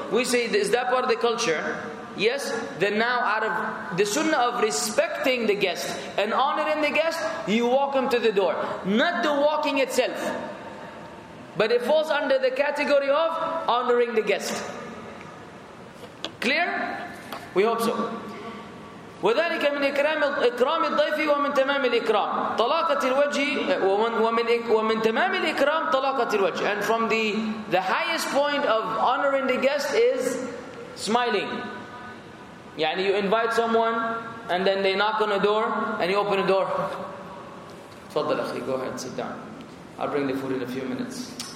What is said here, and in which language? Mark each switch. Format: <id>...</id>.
<en>We say, is that part of the culture? Yes, then now out of the sunnah of respecting the guest and honoring the guest, you walk him to the door. Not the walking itself. But it falls under the category of honoring the guest. Clear? We hope so.</en> <ar>وذلك من إكرام الضيف ومن تمام الإكرام طلاقة الوجه ومن تمام الإكرام طلاقة الوجه.</ar> <en>And from the highest point of honoring the guest is smiling.</en> <ar>يعني</ar> <en>you invite someone and then they knock on a door and you open a door.</en> <ar>تفضل أخي,</ar> <en>go ahead, sit down. I'll bring the food in a few minutes.</en>